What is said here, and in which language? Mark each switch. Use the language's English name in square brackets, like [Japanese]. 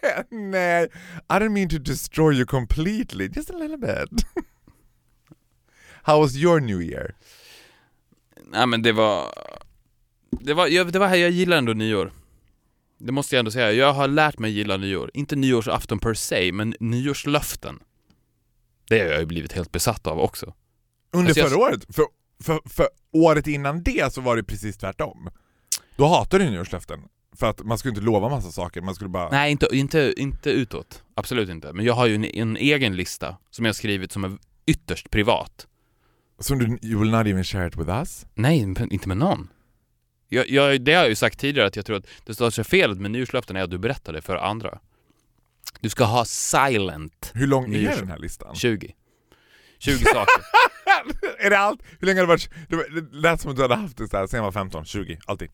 [English] Nej, I didn't mean to destroy you completely. Just a little bit. How was your new year? [Swedish] Nej, men det var här. Jag gillar ändå nyår. Det måste jag ändå säga. Jag har lärt mig gilla nyår. Inte nyårsafton per se, men nyårslöften. Det har jag ju blivit helt besatt av också. Under förra året? För året innan det så var det precis tvärtom. Då hatade du nyårslöften. För att man skulle inte lova massa saker. Man skulle bara... Nej, inte utåt. Absolut inte. Men jag har ju en egen lista som jag har skrivit som är ytterst privat. Som du, [English] you will not even share it with us? [Swedish] Nej, inte med någon. Det har jag ju sagt tidigare, att jag tror att det största felet med nyårslöften är att du berättar det för andra. Du ska ha silent. Hur lång är den här listan? 20 saker. Är det allt? Hur länge har det varit? Det lät som att du hade haft det så här, sen jag var 15, 20, alltid.